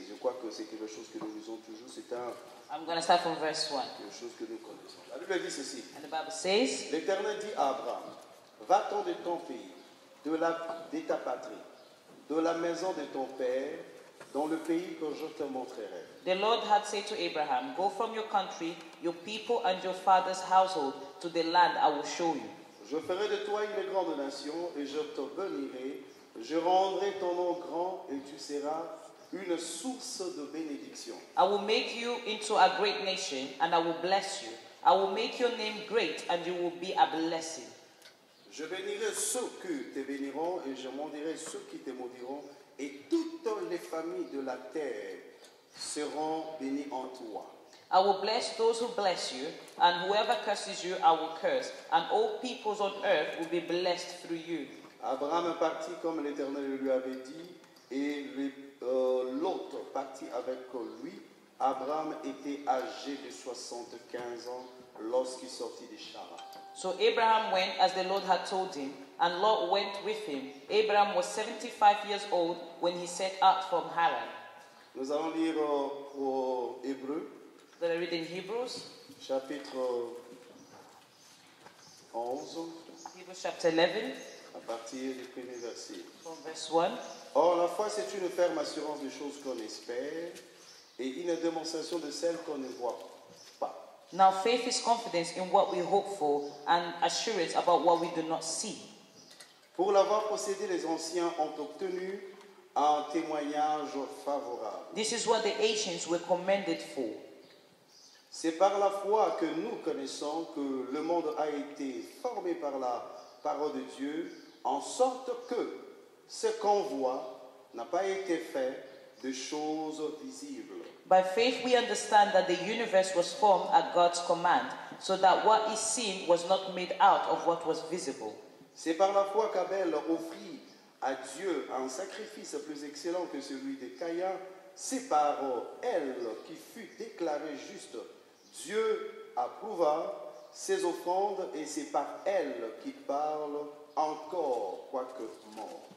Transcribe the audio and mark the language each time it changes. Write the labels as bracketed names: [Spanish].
[French] Je crois que c'est quelque chose que nous lisons toujours. C'est un. [English] I'm going to start from verse 1. [French] Quelque chose que nous connaissons. La Bible dit ceci. [English] And the Bible says. [French] L'Éternel dit à Abraham, va-t'en de ton pays, de ta patrie, de la maison de ton père, dans le pays que je te montrerai. [English] The Lord had said to Abraham, go from your country, your people and your father's household to the land I will show you. [French] Je ferai de toi une grande nation et je te bénirai. Je rendrai ton nom grand et tu seras une source de bénédiction. [English] I will make you into a great nation and I will bless you. I will make your name great and you will be a blessing. [French] Je bénirai ceux qui te béniront et je maudirai ceux qui te maudiront et toutes les familles de la terre seront bénies en toi. [English] I will bless those who bless you, and whoever curses you, I will curse, and all peoples on earth will be blessed through you. [French] Abraham partit comme l'Éternel lui avait dit, et Lot partit avec lui. Abraham était âgé de 75 ans lorsqu'il sortit de Charan. [English] So Abraham went as the Lord had told him, and Lot went with him. Abraham was 75 years old when he set out from Haran. [French] Nous allons lire au Hébreu. [English] Then I read in Hebrews. [French] Chapitre 11. [English] Hebrews chapter 11. [French] À partir du premier verset. [English] From verse 1. [French] Or, la foi, c'est une ferme assurance des choses qu'on espère et une démonstration de celles qu'on ne voit pas. [English] Now, faith is confidence in what we hope for and assurance about what we do not see. [French] Pour l'avoir possédé, les anciens ont obtenu un témoignage favorable. [English] This is what the ancients were commended for. [French] C'est par la foi que nous connaissons que le monde a été formé par la parole de Dieu, en sorte que ce qu'on voit n'a pas été fait de choses visibles. [English] By faith we understand that the universe was formed at God's command, so that what is seen was not made out of what was visible. [French] C'est par la foi qu'Abel offrit à Dieu un sacrifice plus excellent que celui de Caïn. C'est par elle qui fut déclaré juste. Dieu approuva ses offrandes et c'est par elle qu'il parle encore, quoique mort.